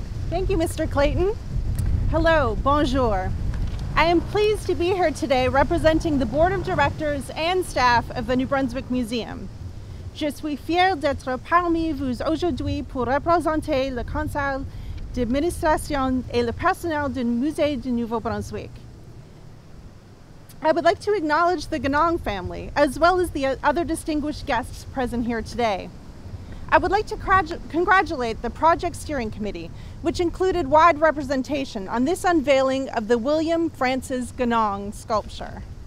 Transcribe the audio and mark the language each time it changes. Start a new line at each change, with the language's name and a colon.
English: Thank you, Mr. Clayton. Hello, bonjour. I am pleased to be here today representing the board of directors and staff of the New Brunswick Museum.
French: Je suis fier d'être parmi vous aujourd'hui pour représenter le conseil d'administration et le personnel du Musée du Nouveau-Brunswick.
English: I would like to acknowledge the Ganong family, as well as the other distinguished guests present here today. I would like to congratulate the Project Steering Committee, which included wide representation on this unveiling of the William Francis Ganong sculpture.